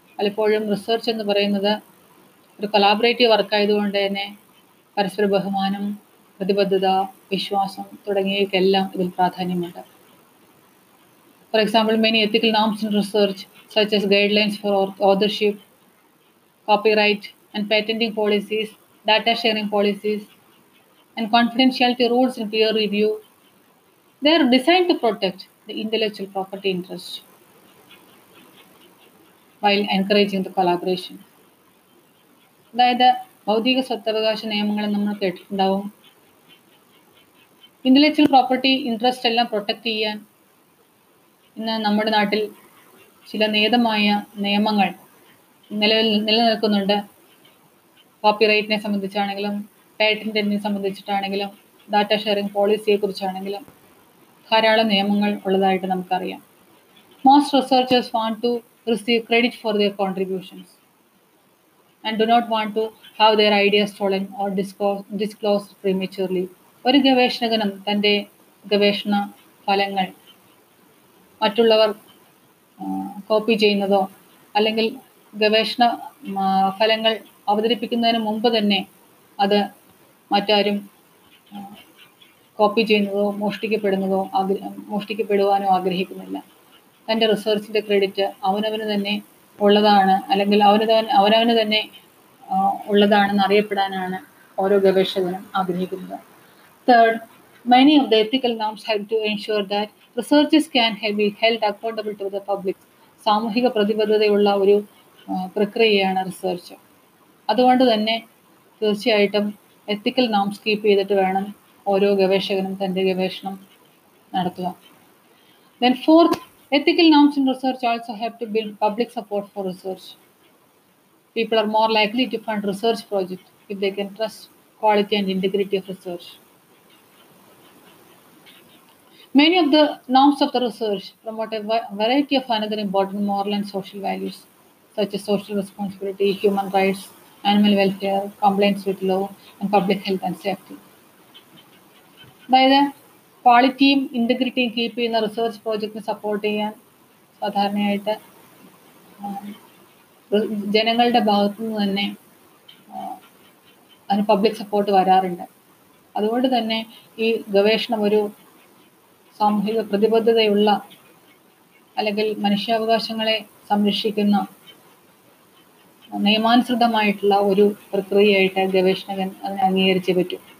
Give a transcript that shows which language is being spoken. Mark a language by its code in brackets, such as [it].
[ml] അപ്പോഴും റിസർച്ച് എന്ന് പറയുന്നത് ഒരു കൊളാബറേറ്റീവ് വർക്കായതുകൊണ്ട് തന്നെ പരസ്പര ബഹുമാനം, പ്രതിബദ്ധത, വിശ്വാസം തുടങ്ങിയവയ്ക്കെല്ലാം ഇതിൽ പ്രാധാന്യമുണ്ട്. [en] For example, many ethical norms in research such as guidelines for authorship, copyright and patenting policies, data sharing policies and confidentiality rules in peer review. They are designed to protect the intellectual property interest while encouraging the collaboration. [ml] അതായത് ബൗദ്ധിക സ്വത്തവകാശ നിയമങ്ങൾ നമ്മൾ കേട്ടിട്ടുണ്ടാവും. Intellectual property interest എല്ലാം protect ചെയ്യാൻ ഇന്ന് നമ്മുടെ നാട്ടിൽ ചില നിയതമായ നിയമങ്ങൾ നിലനിൽക്കുന്നുണ്ട്. കോപ്പിറൈറ്റിനെ സംബന്ധിച്ചാണെങ്കിലും പേറ്റന്റിനെ സംബന്ധിച്ചിട്ടാണെങ്കിലും ഡാറ്റ ഷെയറിംഗ് പോളിസിയെ കുറിച്ചാണെങ്കിലും ധാരാളം നിയമങ്ങൾ ഉള്ളതായിട്ട് നമുക്കറിയാം. [en] Most researchers want to receive credit for their contributions. and do not want to have their ideas stolen or disclosed prematurely. [ml] ഒരു ഗവേഷകനും തൻ്റെ ഗവേഷണ ഫലങ്ങൾ മറ്റുള്ളവർ കോപ്പി ചെയ്യുന്നതോ അല്ലെങ്കിൽ ഗവേഷണ ഫലങ്ങൾ അവതരിപ്പിക്കുന്നതിന് മുമ്പ് തന്നെ അത് മറ്റാരും കോപ്പി ചെയ്യുന്നതോ മോഷ്ടിക്കപ്പെടുന്നതോ മോഷ്ടിക്കപ്പെടുവാനോ ആഗ്രഹിക്കുന്നില്ല. തൻ്റെ റിസർച്ചിൻ്റെ ക്രെഡിറ്റ് അവനവന് തന്നെ ഉള്ളതാണ് അല്ലെങ്കിൽ അവനവന് തന്നെ ഉള്ളതാണെന്ന് അറിയപ്പെടാനാണ് ഓരോ ഗവേഷകനും ആഗ്രഹിക്കുന്നത്. [en] Third, many of the ethical norms have to ensure that researchers can be held accountable to the public. [ml] സാമൂഹിക പ്രതിബദ്ധതയുള്ള ഒരു പ്രക്രിയയാണ് റിസർച്ച്. അതുകൊണ്ട് തന്നെ തീർച്ചയായിട്ടും എത്തിക്കൽ നോംസ് കീപ്പ് ചെയ്തിട്ട് വേണം ഓരോ ഗവേഷകനും തൻ്റെ ഗവേഷണം നടത്തുക. [en] Then fourth, ethical norms in research also have to build public support for research. People are more likely to fund research project if they can trust quality and integrity of research. Many of the norms of the research promote a variety of another important moral and social values such as social responsibility, human rights, animal welfare, compliance with law, and public health and safety. By the quality and integrity keep in the research project support [ml] cheyan sadharanayitte janangalde bhagathinu thanne adu public support vararunde. Adukondu thanne ee gaveshanam oru സാമൂഹിക പ്രതിബദ്ധതയുള്ള അല്ലെങ്കിൽ മനുഷ്യാവകാശങ്ങളെ സംരക്ഷിക്കുന്ന നിയമാനുസൃതമായിട്ടുള്ള ഒരു പ്രക്രിയയായിട്ട് ഗവേഷകൻ അതിനെ അംഗീകരിച്ചേ പറ്റൂ.